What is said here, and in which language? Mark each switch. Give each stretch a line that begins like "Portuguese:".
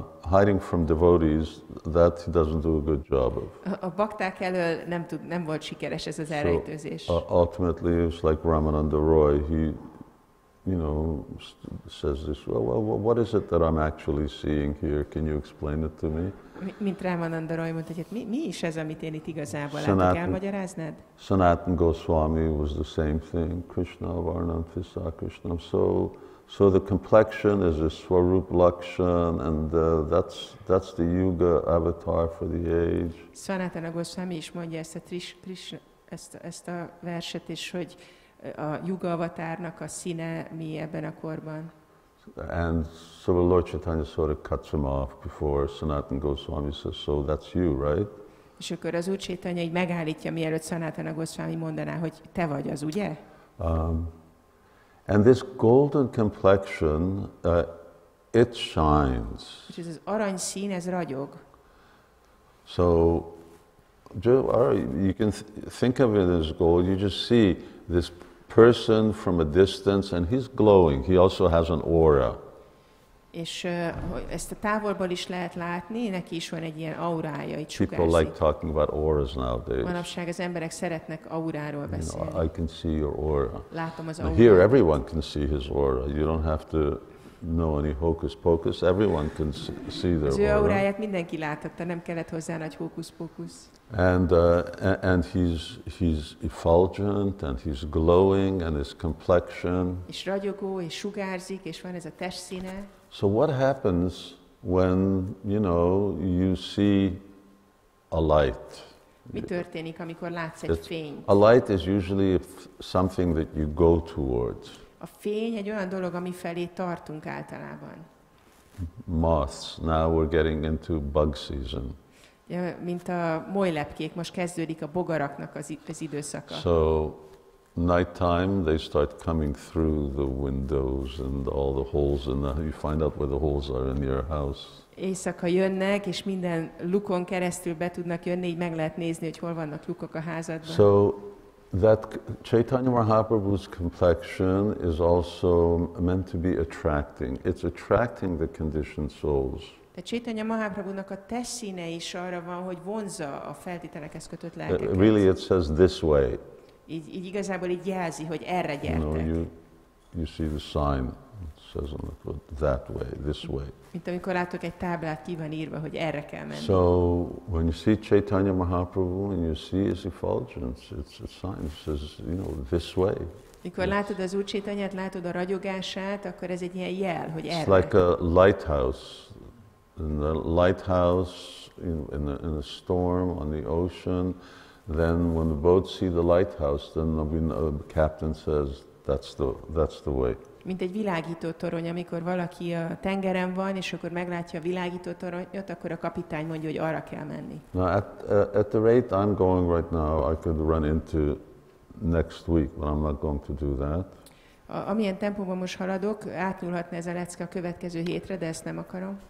English: Hiding from devotees, that he doesn't do a good job of.
Hungarian: A bakták elől nem volt sikeres ez az elrejtőzés.
English: So, ultimately, it's like Ramananda Roy. He, you know, says this. Well, what is it that I'm actually seeing here? Can you explain it to me?
Hungarian: Mint Ramananda Roy mondta, hogy mi is ez, amit én itt igazából látok, elmagyaráznád?
English: Sanatan Goswami was the same thing. Krishna Varnam Fissa Krishna. So the complexion is a Swarup Lakshan, and that's the Yuga avatar for the age.
Hungarian: Sanatan Goswami is mondja ezt a Krishna ezt a verset is, hogy a Yuga avatárnak a színe mi ebben a korban.
English: And so Lord Chaitanya sort of cuts him off before Sanatan Goswami says, so that's you, right?
Hungarian: És akkor az Úr Chaitanya így megállítja, mielőtt Sanatana Goswami mondaná, hogy te vagy az, ugye?
English: And this golden complexion, it shines. Which is
Hungarian: az arany szín, ez ragyog.
English: So, you can think of it as gold, you just see this person from a distance, and he's glowing. He also has an aura.
Hungarian: És ezt a távolból is lehet látni, neki is van egy ilyen aurája, egy sugárzik.
English: People like talking about auras nowadays.
Hungarian: Manapság az emberek szeretnek auráról beszélni.
English: You know, I can see your aura.
Hungarian: Látom az aurát.
English: Here everyone can see his aura. You don't have to know any hocus pocus. Everyone can see their aura.
Hungarian: Az ő auráját mindenki láthatta, nem kellett hozzá nagy hocus pocus.
English: And he's effulgent and he's glowing and his complexion.
Hungarian: És ragyogó, és sugárzik, és van ez a testszíne.
English: So what happens when, you know, you see a light?
Hungarian: Mi történik, amikor látsz egy fényt?
English: A light is usually something that you go towards.
Hungarian: A fény egy olyan dolog, ami felé tartunk általában.
English: Moths, now we're getting into bug season.
Hungarian: Ja, mint a molylepkék, most kezdődik a bogaraknak az időszaka.
English: So, nighttime, they start coming through the windows and all the holes in the. You find out where the holes are in your house.
Hungarian: Éjszaka jönnek, és minden lukon keresztül be tudnak jönni, így meg lehet nézni, hogy hol vannak lukok a házadban.
English: So that Chaitanya Mahaprabhu's complexion is also meant to be attracting. It's attracting the conditioned souls.
Hungarian: A Chaitanya Mahaprabhu-nak a testszíne is arra van, hogy vonza a feltételekhez kötött lelkeket.
English: Really, it says this way.
Hungarian: Így igazából így jelzi, hogy erre gyertek.
English: You see the sign, It says on the road, that way, this way.
Hungarian: Mint amikor látok egy táblát, ki van írva, hogy erre kell menni.
English: So when you see Chaitanya Mahaprabhu and you see his effulgence, it's a sign. It says, you know, this way.
Hungarian: Mikor
English: yes.
Hungarian: látod az Úr Chaitanyát, látod a ragyogását, akkor ez egy ilyen jel, hogy erre.
English: It's like a lighthouse. In the lighthouse in a storm on the ocean, then when the boats see the lighthouse, then the captain says, that's the way.
Hungarian: Mint egy világító torony, amikor valaki a tengeren van, és akkor meglátja a világító toronyot, akkor a kapitány mondja, hogy arra kell menni.
English: Now at the rate I'm going right now, I could run into next week, but I'm not going to do that.
Hungarian: Amilyen tempóban most haladok, átnyúlhatna ez a lecke a következő hétre, de ezt nem akarom.